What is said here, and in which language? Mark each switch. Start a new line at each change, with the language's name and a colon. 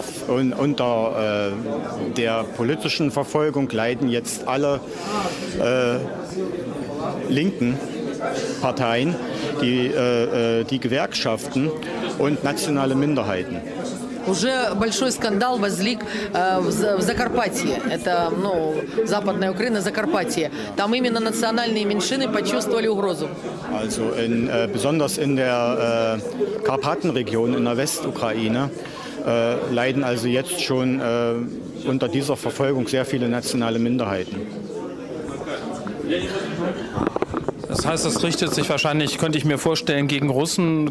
German: Unter der politischen Verfolgung leiden jetzt alle linken Parteien, die Gewerkschaften und nationale Minderheiten.
Russian: Уже большой скандал возник в Закарпатье. Это, ну, западная Украина, Закарпатье. Там именно национальные меньшины почувствовали угрозу.
German: Also in besonders in der Karpatenregion in der Westukraine leiden also jetzt schon unter dieser Verfolgung sehr viele nationale Minderheiten. Das heißt, es richtet sich wahrscheinlich, könnte ich mir vorstellen, gegen Russen.